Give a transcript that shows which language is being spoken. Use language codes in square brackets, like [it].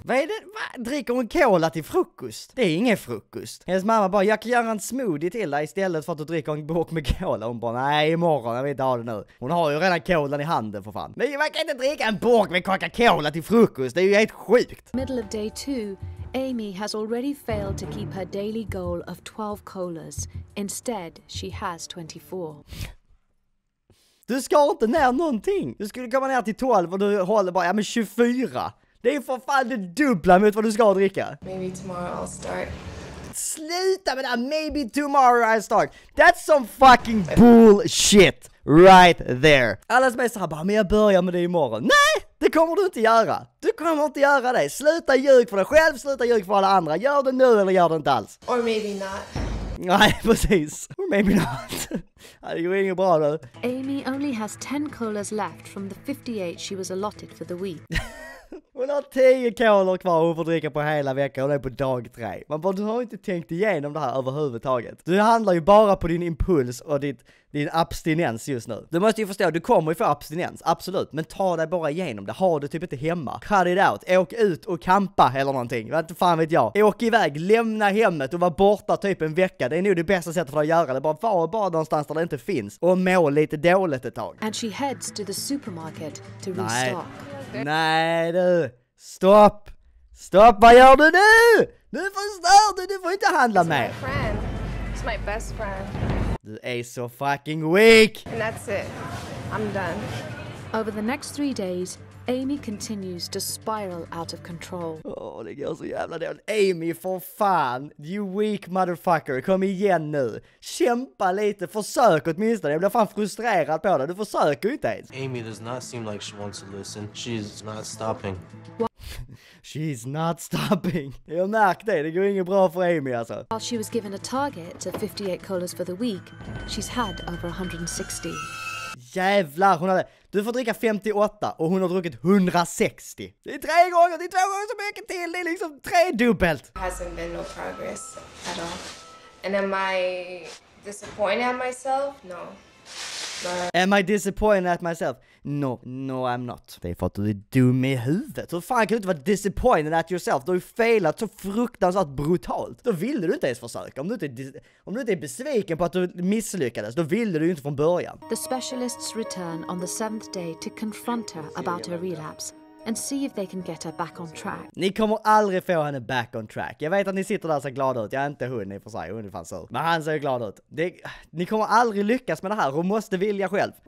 [sv] Vad är det? Va? Dricker hon cola till frukost? Det är ingen frukost. Hennes mamma bara, jag kan göra en smoothie till dig istället för att du dricker en burk med cola. Hon bara, nej, imorgon, jag vet inte ha det nu. Hon har ju redan colan i handen för fan. Men man kan inte dricka en burk med Coca-Cola till frukost, det är ju helt sjukt. [en] Middle of day 2. Amy has already failed to keep her daily goal of 12 colas. Instead, she has 24. [sv] Du ska inte ner någonting. Du skulle komma ner till 12 och du håller bara, ja men 24. Det är för fan det dubbla mot vad du ska dricka. [en] Maybe tomorrow I'll start. [sv] Sluta med det, [en] maybe tomorrow I start. That's some fucking bullshit right there. [sv] Alla som är så här bara, men jag börjar med det imorgon. Nej! Det kommer du inte göra. Du kommer inte göra det. Sluta ljug för dig själv. Sluta ljug för alla andra. Gör det nu eller gör det inte alls. [en] Or maybe not. [sv] Nej, precis. [en] Or maybe not. [sv] Det går inget bra då. [en] Amy only has 10 colas left from the 58 she was allotted for the week. [sv] Hon har 10 color kvar hon får dricka på hela veckan. Hon är på dag 3. Man bara, du har inte tänkt igenom det här överhuvudtaget. Du handlar ju bara på din impuls och din abstinens just nu. Du måste ju förstå, du kommer ju få abstinens, absolut. Men ta dig bara igenom det. Har du typ inte hemma. [en] Cut it out. [sv] Åk ut och kampa eller någonting. Vad fan vet jag. Åk iväg, lämna hemmet och var borta typ en vecka. Det är nog det bästa sättet för att göra det. Bara var bara någonstans där det inte finns. Och må lite dåligt ett tag. [en] And she heads to the supermarket to restock. [sv] Nej. Nej du, stopp. Stopp, vad gör du nu? Nu förstör du får inte handla mer. [en] It's my best friend. [sv] Du är så [en] fucking weak. And that's it. I'm done. Over the next 3 days, Amy continues to spiral out of control. [sv] Åh, det går så jävla dåligt. Amy, för fan. [en] You weak motherfucker. [sv] Kom igen nu. Kämpa lite. Försök åtminstone. Jag blir fan frustrerad på det. Du försöker ju inte ens. [en] Amy does not seem like she wants to listen. She's not stopping. She's not stopping. [sv] Jag märkte det. Det går inget bra för Amy alltså. [en] While she was given a target of 58 colas for the week, she's had over 160. [sv] Jävlar, hon hade... Du får dricka 58 och hon har druckit 160. Det är tre gånger, det är två gånger så mycket till. Det är liksom tre dubbelt. [en] There hasn't been no progress at all. And am I disappointed at myself? No. Am I disappointed at myself? No, no I'm not. [sv] Det är för att du är dum i huvudet. Hur fan kan du inte vara [en] disappointed at yourself? [sv] Du har ju failat så fruktansvärt brutalt. Då vill du inte ens försöka. Om du inte är besviken på att du misslyckades, då vill du ju inte från början. [en] The specialists return on the seventh day to confront her about her relapse and see if they can get her back on track. [sv] Ni kommer aldrig få henne [en] back on track. [sv] Jag vet att ni sitter där så glada ut. Jag är inte hon i för sig, hon är fan sur. Men han ser glad ut. Ni kommer aldrig lyckas med det här. Hon måste vilja själv.